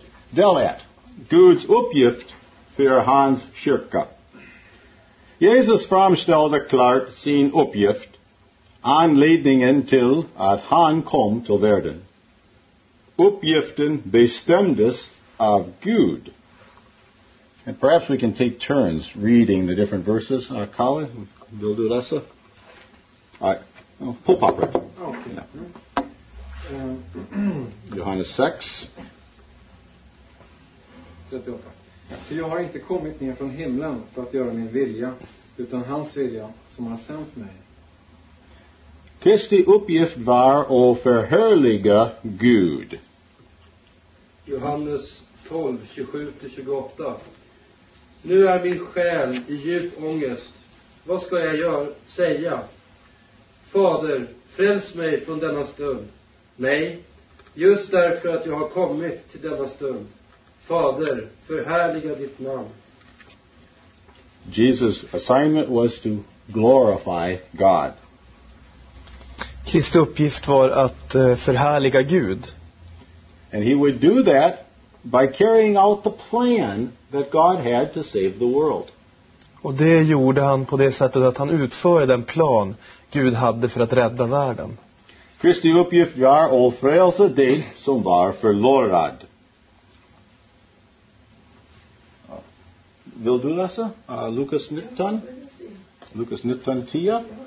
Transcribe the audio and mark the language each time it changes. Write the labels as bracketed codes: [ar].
[sv] Delat, Guds uppgift för hans kyrka. Jesus framställde klart sin uppgift, anledningen till att han kom till världen. Uppgiften bestämdes av Gud. [en] And perhaps we can take turns reading the different verses. [sv] Kalle, vill du läsa? Pull pop right. [en] Okay. Yeah. [sv] Johannes 6. 38. För jag har inte kommit ner från himlen för att göra min vilja, utan hans vilja som har sänt mig. Kristi uppgift var att förhörliga Gud. Johannes 12, 27-28. Nu är min själ i djup ångest. Vad ska jag göra, säga? Fader, fräls mig från denna stund. Nej, just därför att jag har kommit till denna stund. Fader, förhärliga ditt namn. [en] Jesus' assignment was to glorify God. [sv] Kristi uppgift var att förhärliga Gud. [en] And he would do that by carrying out the plan that God had to save the world. [sv] Och det gjorde han på det sättet att han utförde den plan Gud hade för att rädda världen. Kristi uppgift var att frälsa dig som var förlorad. Vill du läsa? Lukas 19. Lukas 19, 10. Ja.